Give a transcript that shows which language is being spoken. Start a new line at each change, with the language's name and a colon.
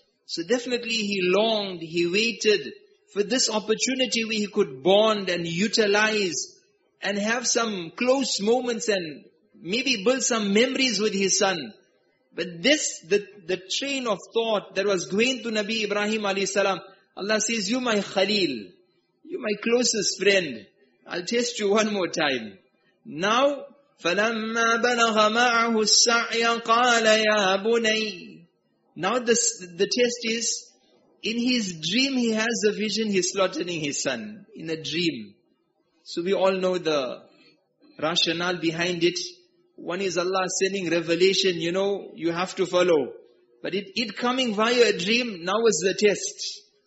English: So definitely he longed, he waited for this opportunity where he could bond and utilize and have some close moments and maybe build some memories with his son. But this, the train of thought that was going to Nabi Ibrahim alayhi salam, Allah says, you my Khalil, you my closest friend. I'll test you one more time.
Arabic: Now, فَلَمَّا بَلَغَ مَعَهُ السَّعْيَ قَالَ يَا بُنَيْ.
English: Now the test is, in his dream he has a vision, he's slaughtering his son in a dream. So we all know the rationale behind it. One is Allah sending revelation, you know, you have to follow. But it coming via a dream, now is the test.